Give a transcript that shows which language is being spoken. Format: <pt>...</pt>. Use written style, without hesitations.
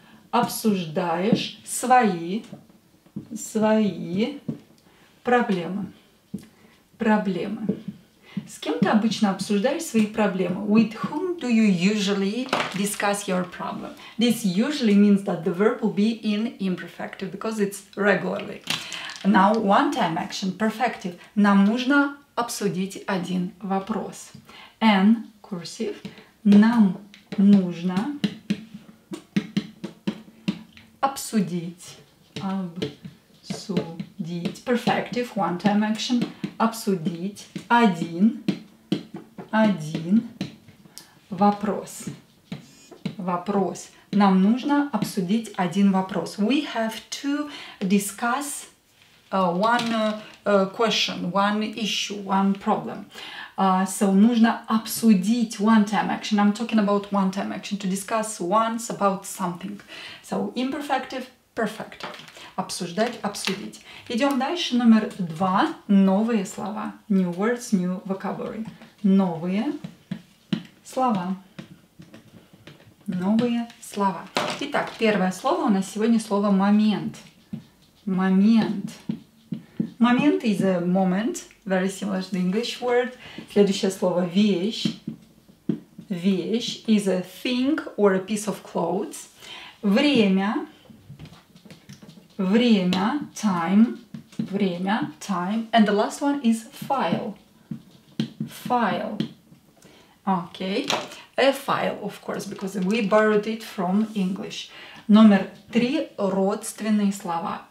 <ru>Обсуждаешь свои проблемы. Проблемы. С кем ты обычно обсуждаешь свои проблемы?</ru> <en>With whom do you usually discuss your problem? This usually means that the verb will be in imperfective because it's regularly. Now, one-time action, perfective.</en> <ru>Нам нужно обсудить один вопрос. An, cursive. Нам нужно обсудить, обсудить,</ru> <en>perfective, one-time action,</en> <ru>обсудить один вопрос. Вопрос. Нам нужно обсудить один вопрос.</ru> <en>We have to discuss one question, one issue, one problem. So,</en> <ru>нужно обсудить</ru> <en>one-time action. I'm talking about one-time action, to discuss once about something. So, imperfective, perfective.</en> <ru>Обсуждать, обсудить. Идем дальше. Номер два. Новые слова.</ru> <en>New words, new vocabulary.</en> <ru>Новые слова. Новые слова. Итак, первое слово у нас сегодня слово момент. Момент. Момент</ru> <en>is a moment, very similar to the English word.</en> <ru>Следующее слово – вещь. Вещь</ru> <en>is a thing or a piece of clothes.</en> <ru>Время. Время – time. Время – time.</ru> <en>And the last one is file. File. Okay. A file, of course, because we borrowed it from English.</en> <ru>Номер три – родственные слова.</ru>